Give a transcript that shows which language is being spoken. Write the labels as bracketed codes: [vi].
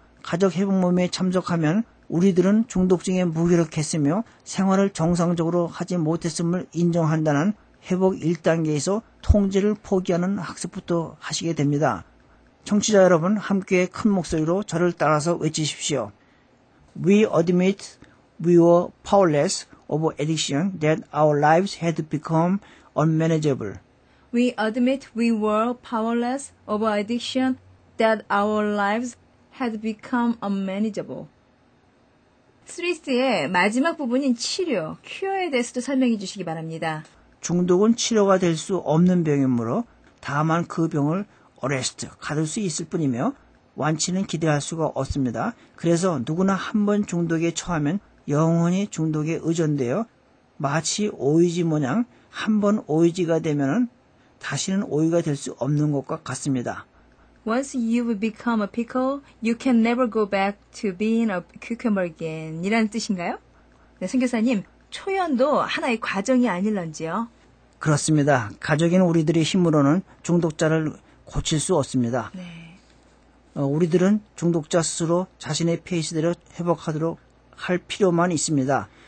[ko] 가족 회복 모임에 참석하면 우리들은 중독증에 무기력했으며 생활을 정상적으로 하지 못했음을 인정한다는 회복 1단계에서 통제를 포기하는 학습부터 하시게 됩니다. 청취자 여러분, 함께 큰 목소리로 저를 따라서 외치십시오. [en] We admit we were powerless of addiction that our lives had become unmanageable. We admit we were powerless of addiction that our lives had become unmanageable. [ko] 스위스의 마지막 부분인 치료, 큐어에 대해서도 설명해 주시기 바랍니다. 중독은 치료가 될 수 없는 병이므로 다만 그 병을 어레스트, 가둘 수 있을 뿐이며 완치는 기대할 수가 없습니다. 그래서 누구나 한번 중독에 처하면 영원히 중독에 의존되어 마치 오이지 모양 한번 오이지가 되면 다시는 오이가 될 수 없는 것과 같습니다. [en] Once you've become a pickle, you can never go back to being a cucumber again. [ko] 이라는 뜻인가요? 네, 선교사님, 초연도 하나의 과정이 아닐런지요? 그렇습니다. 가족인 우리들의 힘으로는 중독자를 고칠 수 없습니다. 네. 우리들은 중독자 스스로 자신의 페이스대로 회복하도록 할 필요만 있습니다.